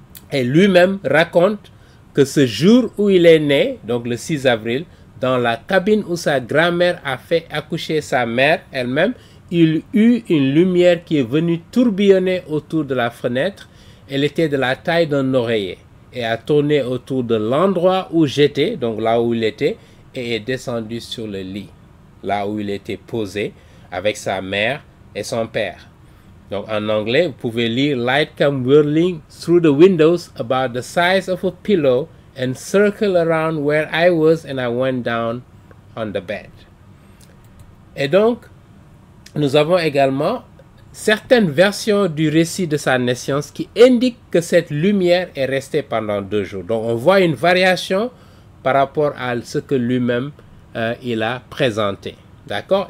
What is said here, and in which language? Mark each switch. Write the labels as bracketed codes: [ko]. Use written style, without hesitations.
[fr] Et lui-même raconte que ce jour où il est né, donc le 6 avril, dans la cabine où sa grand-mère a fait accoucher sa mère elle-même, il eut une lumière qui est venue tourbillonner autour de la fenêtre. Elle était de la taille d'un oreiller et a tourné autour de l'endroit où j'étais, donc là où il était, et est descendue sur le lit, là où il était posé avec sa mère et son père. Donc en anglais, vous pouvez lire: [en] Light came whirling through the windows about the size of a pillow and circled around where I was and I went down on the bed. [fr] Et donc, nous avons également certaines versions du récit de sa naissance qui indiquent que cette lumière est restée pendant 2 jours. Donc on voit une variation par rapport à ce que lui-même il a présenté. D'accord?